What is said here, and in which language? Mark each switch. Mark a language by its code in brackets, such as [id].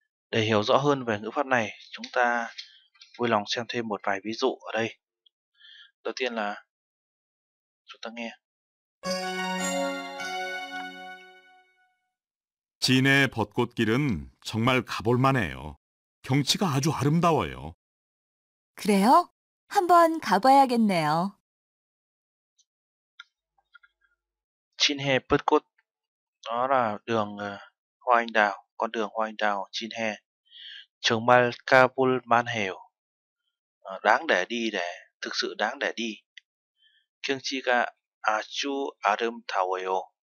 [vi] Để hiểu rõ hơn về ngữ pháp này, chúng ta vui lòng xem thêm một vài ví dụ ở đây. Đầu tiên là chúng ta nghe. [ko] 진해 벚꽃길은 정말 가볼 만해요. 경치가 아주 아름다워요. 그래요? 한번 가봐야겠네요. 진해 벚꽃. [vi] Đó là đường hoa anh đào, con đường hoa anh đào Jinhae. [ko] 정말 가볼 만해요. [vi] Đáng để đi, để thực sự đáng để đi. [ko] 경치가 아주 아름다워요.